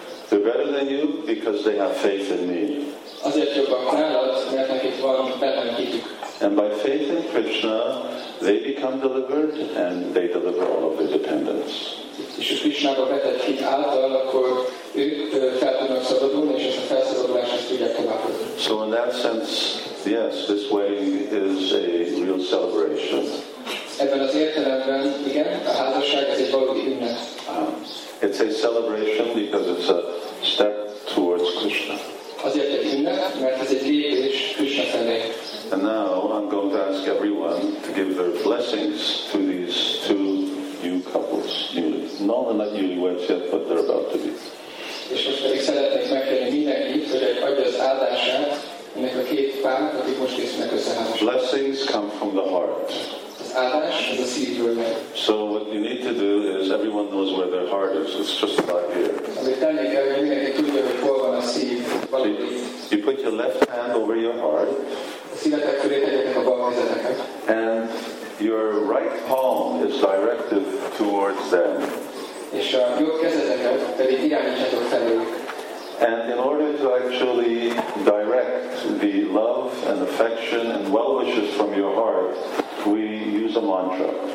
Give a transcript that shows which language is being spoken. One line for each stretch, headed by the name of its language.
English: They're better than you because they have faith in me. And by faith in Krishna, they become delivered and they deliver all of their dependents.
Hungarian: És a Krishnába vetett hit által, akkor ők fel tudnak szabadulni, és ezt a felszabadulást ezt tudják tovább.
English: So in that sense, yes, this wedding is a real celebration.
Hungarian: Ebben az értelemben, igen, a házasság ez egy valódi ünnep.
English: It's a celebration because it's a step towards Krishna.
Hungarian: Azért egy ünnep, mert ez egy lépés Krishna felé.
English: And now I'm going to ask everyone to give their blessings to these two new couples, newly. No, they're not newlyweds yet, but they're about to be.
Hungarian: És most pedig szeretnék megkérni mindenkit, hogy adja az áldását ennek a két párnak, akik most készülnek összeházasodni.
English: Blessings come from the heart.
Hungarian: Az áldás az a szívből meg.
English: So what you need to do is everyone knows where their heart is. It's just about here.
Hungarian: Amit tenni kell, hogy mindenki tudja, hogy hol van a szív.
English: You put your left hand over your heart.
Hungarian: A szívetek köré tegyetek a bal kezeteket.
English: And your right palm is directed towards them. And in order to actually direct the love and affection and well wishes from your heart, we use a mantra.